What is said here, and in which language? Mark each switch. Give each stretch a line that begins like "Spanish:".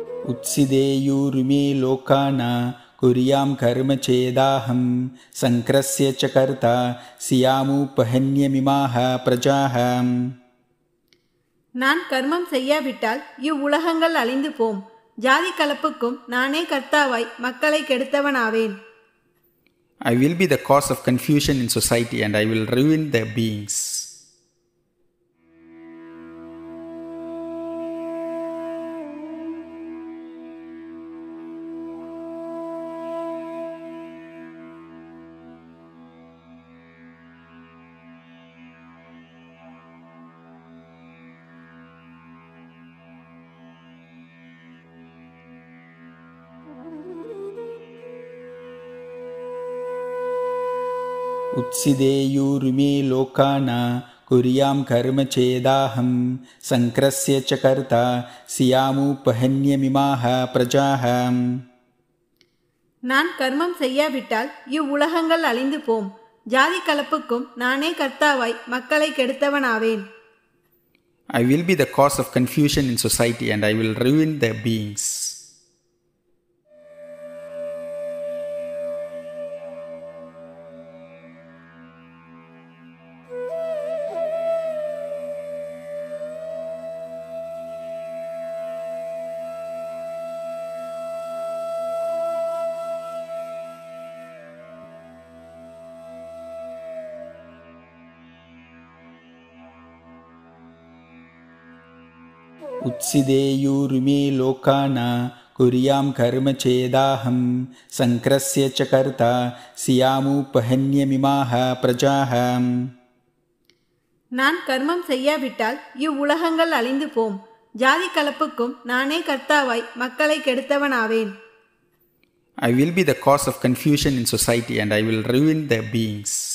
Sanskrit: உத்சிதேயூருமே லோகானா குரியாம் கர்ம சேதாஹம் சங்கரஸ்ய ச கர்த்தா சியாமுபஹன்யமிமாஹ பிரஜாஹம்.
Tamil: நான் கர்மம் செய்யாவிட்டால் இவ்வுலகங்கள் அழிந்து போம். ஜாதி கலப்புக்கும் நானே கர்த்தாவாய் மக்களை கெடுத்தவனாவேன்.
English: I will be the cause of confusion in society and I will ruin their beings.
Sanskrit: உத்சிதேயூருமே லோகானா குரியாம் கர்ம சேதாஹம் சங்கரஸ்ய ச கர்த்தா சியாமுபஹன்யமிமாஹ பிரஜாஹம்.
Tamil: நான் கர்மம் செய்யாவிட்டால் இவ்வுலகங்கள் அழிந்து போம். ஜாதி கலப்புக்கும் நானே கர்த்தாவாய் மக்களை கெடுத்தவனாவேன்.
English: I will be the cause of confusion in society and I will ruin their beings.
Sanskrit: உத்சிதேயூருமே லோகானா குரியாம் கர்ம சேதாஹம் சங்கரஸ்ய ச கர்த்தா சியாமுபஹன்யமிமாஹ பிரஜாஹம்.
Tamil: நான் கர்மம் செய்யாவிட்டால் இவ்வுலகங்கள் அழிந்து போம். ஜாதி கலப்புக்கும் நானே கர்த்தாவாய் மக்களை கெடுத்தவனாவேன்.
English: I will be the cause of confusion in society and I will ruin their beings.